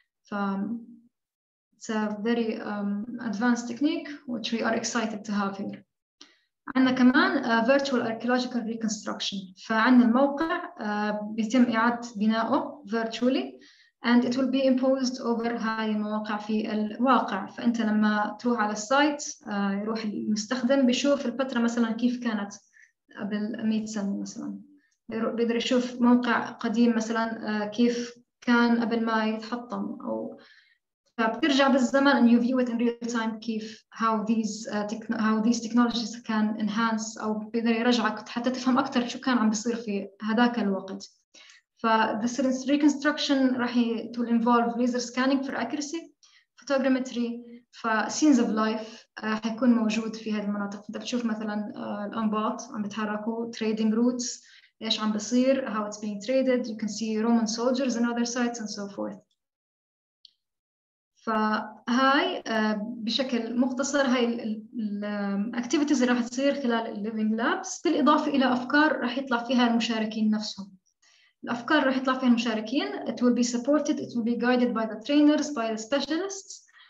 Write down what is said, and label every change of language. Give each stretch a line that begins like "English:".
English: It's a very advanced technique which we are excited to have here.
Arabic: عندنا كمان virtual archaeological reconstruction. فعندنا الموقع بيتم إعادة بنائه
English: virtually and it will be imposed over
Arabic: هاي المواقع في الواقع. فأنت لما تروح على السايت يروح المستخدم بيشوف البترة مثلا كيف كانت قبل 100 سنة مثلا. بيقدر يشوف موقع قديم مثلا كيف كان قبل ما يتحطم أو فبترجع بالزمن
English: and you view it in real time
Arabic: كيف
English: how these technologies can enhance
Arabic: أو بقدر يرجعك حتى تفهم أكثر شو كان عم بيصير في هذاك الوقت.
English: ف the reconstruction راح to involve laser scanning for accuracy, photogrammetry, ف scenes of life
Arabic: حيكون موجود في هذه المناطق. أنت بتشوف مثلاً الأنباط عم بتحركوا
English: trading routes
Arabic: إيش عم بيصير
English: how it's being traded. You can see Roman soldiers in other sites and so forth.
Arabic: فهاي بشكل مختصر هاي الاكتيفيتيز اللي راح تصير خلال الليفينج لابس بالإضافة إلى أفكار راح يطلع فيها المشاركين نفسهم. الأفكار راح يطلع فيها المشاركين
English: it will be supported, it will be guided by the trainers, by the specialists.